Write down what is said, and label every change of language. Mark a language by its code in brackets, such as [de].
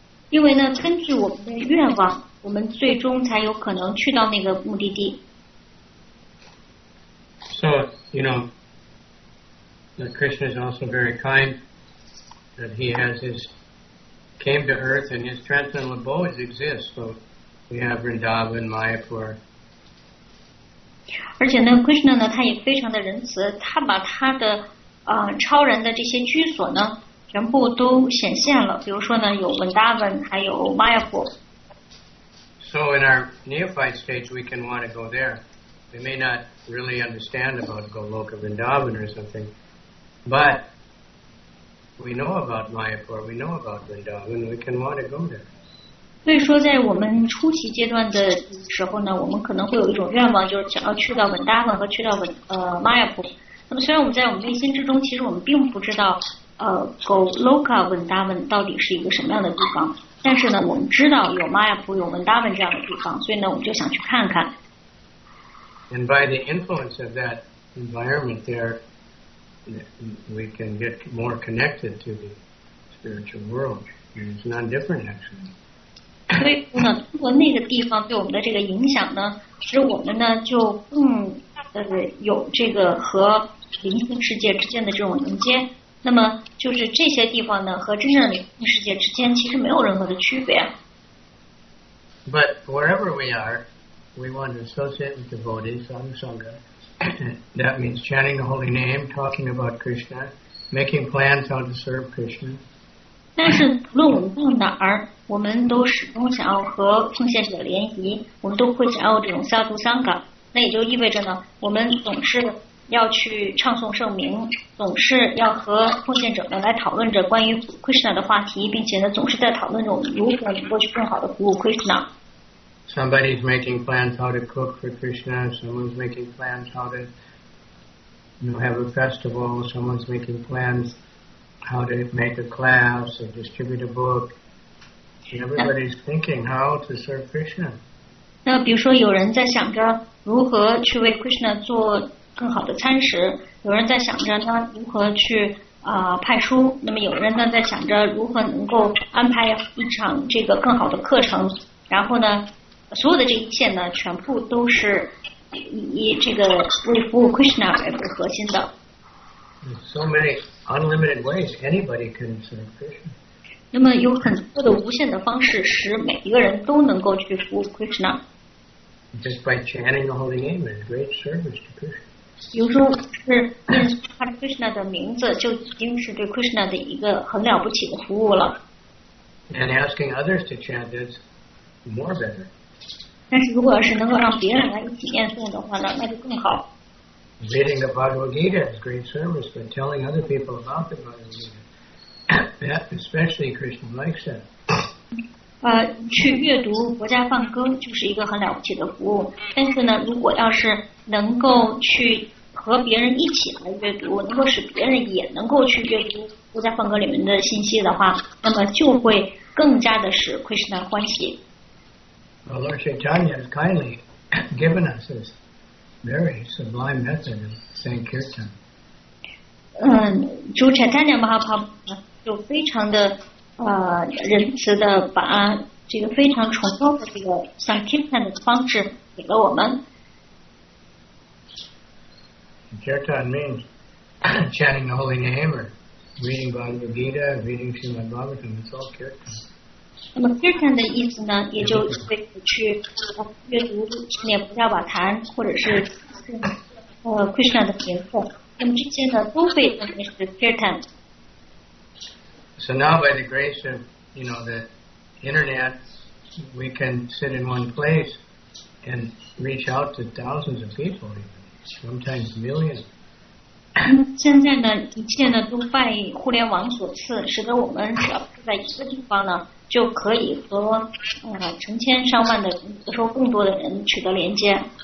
[zh] 因为呢，根据我们的愿望，我们最终才有可能去到那个目的地。 [en] So, you know, Krishna is also very kind that he has his came to earth and his transcendental abodes exist. So we have Vrindavan, Mayapur. [zh] 而且呢 ，Krishna 呢，他也非常的仁慈，他把他的超人的这些居所呢，全部都显现了。比如说呢，有 Vrindavan， 还有 Mayapur。 [en] So in our neophyte stage, we can want to go there. We may not really understand about Goloka Vrindavan or something, but we know about Mayapur, we know about Vrindavan, we can want to go there. [zh] 所以说在我们初期阶段的时候呢，我们可能会有一种愿望，就是想要去到文达文和去到Mayapur。那么虽然我们在我们内心之中，其实我们并不知道Goloka文达文到底是一个什么样的地方，但是呢我们知道有 Mayapur 有文达文这样的地方，所以呢我们就想去看看。 [en] And by the influence of that environment there, we can get more connected to the spiritual world. And it's none different actually. [zh] 所以呢，通过那个地方对我们的这个影响呢，使我们呢就更有这个和灵性世界之间的这种连接。那么就是这些地方呢和真正的灵性世界之间其实没有任何的区别。 [en] But wherever we are, we want to associate with devotees, sangha. That means chanting the holy name, talking about Krishna, making plans how to serve Krishna. [zh] 但是无论我们到哪儿，我们都始终想要和奉献者联谊，我们都会想要这种萨度桑嘎。那也就意味着呢，我们总是要去唱诵圣名，总是要和奉献者们来讨论着关于 Krishna 的话题，并且呢，总是在讨论着我们如何能够去更好的服务 Krishna。 [en] Somebody's making plans how to cook for Krishna. Someone's making plans how to, you know, have a festival. Someone's making plans. How to make a class or distribute a book. Everybody's thinking how to serve Krishna. [zh] 那比如说有人在想着如何去为 Krishna 做更好的餐食，有人在想着呢如何去派书，那么有人呢在想着如何能够安排一场这个更好的课程，然后呢所有的这一切呢全部都是以这个为服务 Krishna 为核心的。 [en] So many unlimited ways anybody can serve Krishna. [zh] 那么有很多的无限的方式使每一个人都能够去服务 Krishna. [en] Just by chanting the holy name is great service to Krishna. [zh] 比如说是念诵 Hare Krishna 的名字就已经是对 Krishna 的一个很了不起的服务了。 [en] And asking others to chant is more better. [zh] 但是如果是能够让别人来一起念诵的话呢，那就更好。 [en] Reading the Bhagavad Gita is great service, but telling other people about the Bhagavad Gita, that especially Krishna likes it. [zh] 去阅读国家梵歌就是一个很了不起的服务。但是呢，如果要是能够去和别人一起来阅读，能够使别人也能够去阅读国家梵歌里面的信息的话，那么就会更加的使 Krishna 欢喜。 [en] Well, Lord Chaitanya has kindly given us this. Very sublime method of Sankirtan. [zh] Lord Chaitanya Mahaprabhu 就非常的仁慈的把这个非常崇高的这个 Sankirtan 的方式给了我们。 [en] Sankirtan means chanting the holy name or reading Bhagavad Gita, reading Srimad Bhagavatam. It's all Kirtan. [zh] 那么 Kirtan 的意思呢，也就是去阅读念佛教瓦坛，或者是Krishna 的名字。那么这些呢，都被称为是 Kirtan。 [en] So now, by the grace of, you know, the internet, we can sit in one place and reach out to thousands of people, sometimes millions. [zh] 现在呢，一切呢都拜互联网所赐，使得我们只要住在一个地方呢，就可以和成千上万的，说更多的人取得连接。